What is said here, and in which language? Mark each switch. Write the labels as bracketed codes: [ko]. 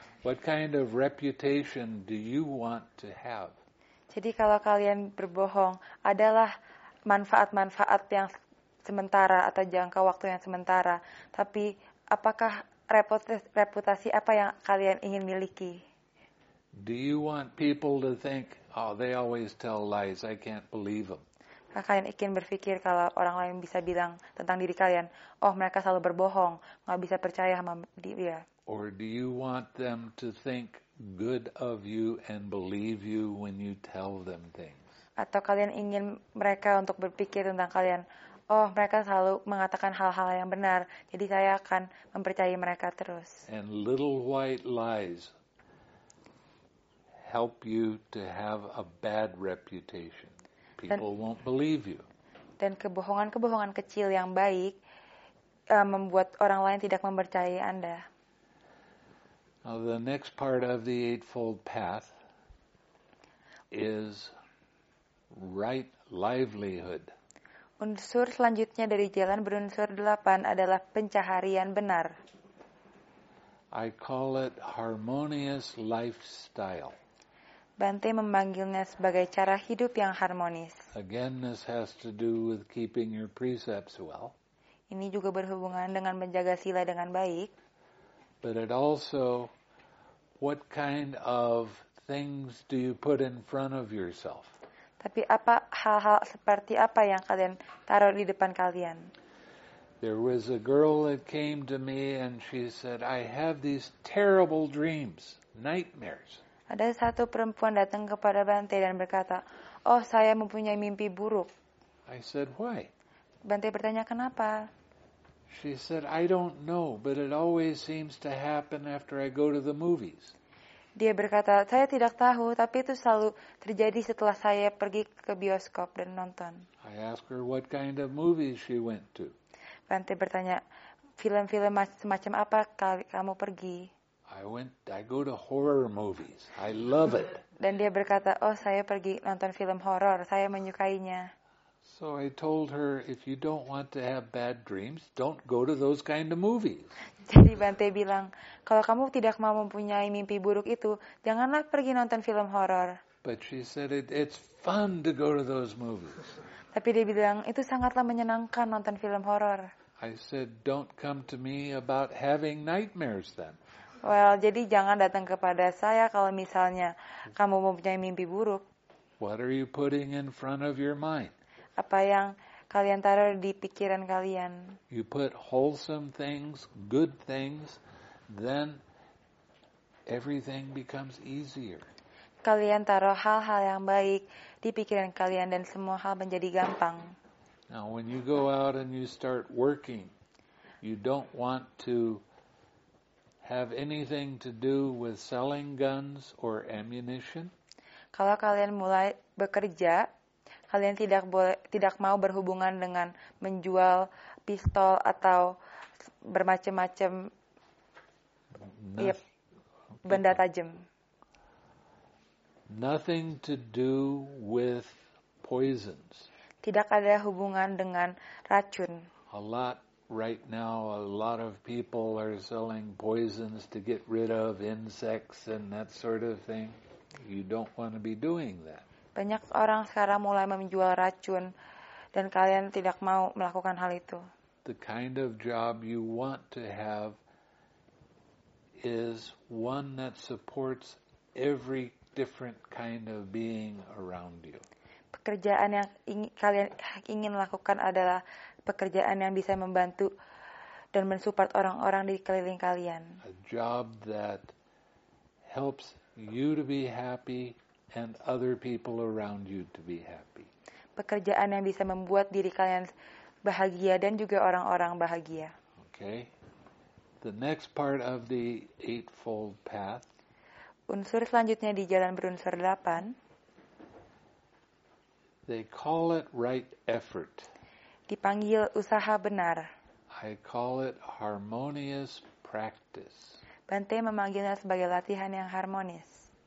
[en] What kind of reputation do you want to have? [id] Jadi kalau kalian berbohong, adalah manfaat-manfaat yang sementara atau jangka waktu yang sementara. Tapi apakah reputasi apa yang kalian ingin miliki? [en] Do you want people to think, "Oh, they always tell lies. I can't believe them"? [id] Kalian ingin berpikir kalau orang lain bisa bilang tentang diri kalian, "Oh, mereka selalu berbohong. Enggak bisa percaya sama dia." [en] Or do you want them to think good of you and believe you when you tell them things? [id] Atau kalian ingin mereka untuk berpikir tentang kalian, "Oh, mereka selalu mengatakan hal-hal yang benar, jadi saya akan mempercayai mereka terus." [en] And little white lies help you to have a bad reputation. People won't believe you. [id] Dan kebohongan-kebohongan kecil yang baik membuat orang lain tidak mempercayai Anda. [en] Now the next part of the Eightfold Path is right livelihood. [id] Unsur selanjutnya dari jalan berunsur 8 adalah pencaharian benar. [en] I call it harmonious lifestyle. [id] Bante memanggilnya sebagai cara hidup yang harmonis. [en] Again, this has to do with keeping your precepts well. [id] Ini juga berhubungan dengan menjaga sila dengan baik. [en] But it also, what kind of things do you put in front of yourself? [id] Tapi apa hal-hal seperti apa yang kalian taruh di depan kalian? [en] There was a girl that came to me and she said, "I have these terrible dreams, nightmares." [id] Ada satu perempuan datang kepada Bante dan berkata, "Oh, saya mempunyai mimpi buruk." [en] I said, "Why?" [id] Bante bertanya, "Kenapa?" [en] She said, "I don't know, but it always seems to happen after I go to the movies." [id] Dia berkata, "Saya tidak tahu, tapi itu selalu terjadi setelah saya pergi ke bioskop dan nonton." [en] I asked her what kind of movies she went to. [id] Bante bertanya, "Film-film semacam apa kamu pergi?" [en] I go to horror movies. I love it. [id] Dan dia berkata, "Oh, saya pergi nonton film horor. Saya menyukainya." [en] So I told her, "If you don't want to have bad dreams, don't go to those kind of movies." [id] Jadi Bante bilang, "Kalau kamu tidak mau mempunyai mimpi buruk itu, janganlah pergi nonton film horor." [en] But she said it's fun to go to those movies. [id] Tapi dia bilang, "Itu sangatlah menyenangkan nonton film horor." [en] I said, "Don't come to me about having nightmares then." [id] Well, jadi jangan datang kepada saya kalau misalnya kamu mempunyai mimpi buruk. [en] What are you putting in front of your mind? [id] Apa yang kalian taruh di pikiran kalian? [en] You put wholesome things, good things, then everything becomes easier. [id] Kalian taruh hal-hal yang baik di pikiran kalian dan semua hal menjadi gampang. [en] Now, when you go out and you start working, you don't want to have anything to do with selling guns or ammunition? [id] Kalau kalian mulai bekerja, kalian tidak mau berhubungan dengan menjual pistol atau bermacam-macam benda tajam. [en] Nothing to do with poisons. [id] Tidak ada hubungan dengan racun. [en] A lot right now a lot of people are selling poisons to get rid of insects and that sort of thing. You don't want to be doing that. [id] Banyak orang sekarang mulai menjual racun dan kalian tidak mau melakukan hal itu. [en] The kind of job you want to have is one that supports every different kind of being around you. [id] Pekerjaan yang kalian ingin lakukan adalah pekerjaan yang bisa membantu dan mensupport orang-orang di keliling kalian. [en] A job that helps you to be happy and other people around you to be happy. [id] Pekerjaan yang bisa membuat diri kalian bahagia dan juga orang-orang bahagia. [en] Okay. The next part of the Eightfold Path. [id] Unsur selanjutnya di jalan berunsur 8. [en] They call it right effort. [id] Dipanggil usaha benar. [en] I call it harmonious practice. [id] Bante memanggilnya sebagai latihan yang harmonis.